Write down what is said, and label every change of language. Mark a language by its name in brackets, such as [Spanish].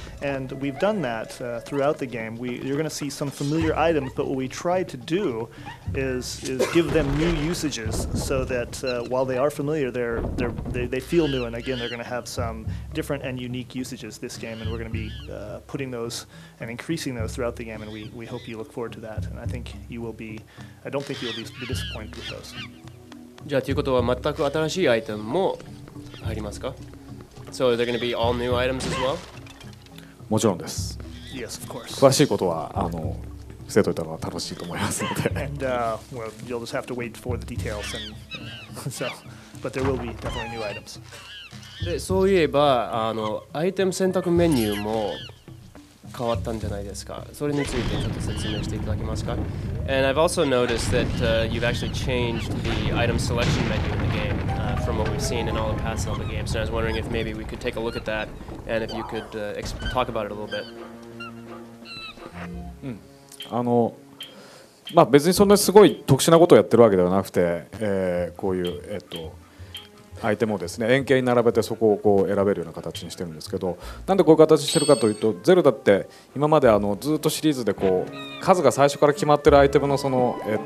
[English] And we've done that throughout the game. You're going to see some familiar items, but what we tried to do is give them new usages so that while they are familiar, they feel new, and again, they're going to have some different and unique usages this game, and we're going to be putting those and increasing those throughout the game, and we hope you look forward to that. And I don't think you'll be disappointed with those. [Japanese] じゃあ、ということは全く新しいアイテムも入りますか? [English] So are there going to be all new items as well? [Japanese] もちろんです。 [English] Yes, of course. [Japanese] 詳しいことは、伏せといた方が楽しいと思いますので。 [English] And, well, you'll just have to wait for the details and, so, but there will be definitely new items. [Japanese] で、そういえば、アイテム選択メニューも変わったんじゃないですか? それについてちょっと説明していただけますか? [English] And I've also noticed that you've actually changed the item selection menu in the game from what we've seen in all the past Zelda games. So I was wondering if maybe we could take a look at that and if you could talk about it a little bit. [Japanese] まあ、別にそんなすごい特殊なことをやってるわけではなくて、こういう、アイテムをですね、円形に並べてそこをこう選べるような形にしてるんですけど、なんでこういう形にしてるかというと、ゼルダって今までずっとシリーズでこう数が最初から決まってるアイテムの、その、